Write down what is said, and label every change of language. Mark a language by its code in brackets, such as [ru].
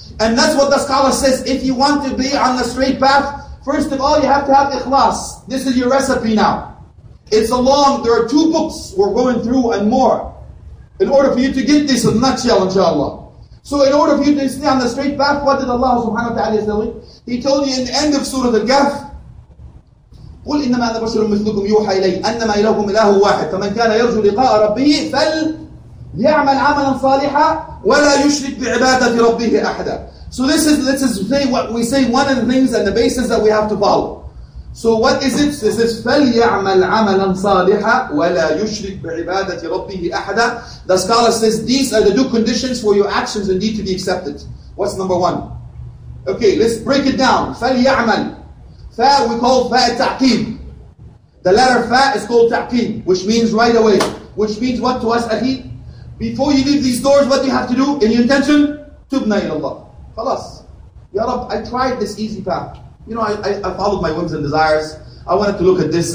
[en] And that's what the scholar says, if you want to be on the straight path, first of all, you have to have ikhlas. This is your recipe now. It's a long, there are two books we're going through and more, in order for you to get this in a nutshell, inshallah. So in order for you to stay on the straight path, what did Allah subhanahu wa ta'ala tell you? He told you in the end of Surah Al-Kahf, [ar] قل إنما أنا بشر مثلكم يوحى إلي أنما إلهكم إله واحد فمن كان يرجو لقاء ربه فليعمل عملا صالحا ولا يشرك بعبادة ربه أحدا. [en] So this is thing, what we say, one of the things and the basis that we have to follow. So what is it? This is [ar] فَلْيَعْمَلْ عَمَلًا صَالِحًا وَلَا يُشْرِكْ بِعِبَادَةِ رَبِّهِ أَحْدًا. [en] The scholar says these are the two conditions for your actions indeed to be accepted. What's number one? Okay, let's break it down. [ar] فَلْيَعْمَلْ فَا [en] we call [ar] فَا التَّعْقِيم. [en] The letter فَا is called تَعْقِيم, which means right away. Which means what to us, أخي? Before you leave these doors, what do you have to do? In your intention? [ar] تُبْنَا إِلَى اللَّهِ خلاص. [en] Ya Rab, I tried this easy path. You know, I followed my whims and desires. I wanted to look at this.